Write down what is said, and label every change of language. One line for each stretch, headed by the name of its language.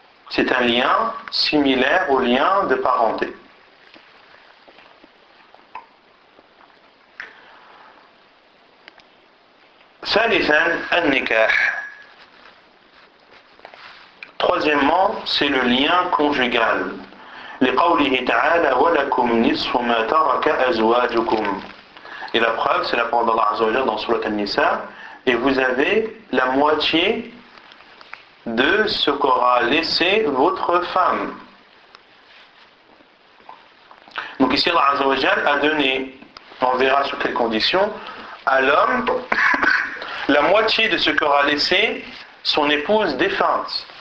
French: C'est un lien similaire au lien de parenté.
Arabic: Salisan al-nikah.
French: Troisièmement, c'est le lien conjugal.
Arabic: لقوله تعالى ولكم نصف ما ترك أزواجكم.
French: Et la preuve, c'est la parole d'Allah Azza wa Jalla dans Sourate An-Nisa. Et vous avez la moitié de ce qu'aura laissé votre femme. Donc ici, Allah Azza wa Jalla a donné, on verra sous quelles conditions, à l'homme la moitié de ce qu'aura laissé son épouse défunte.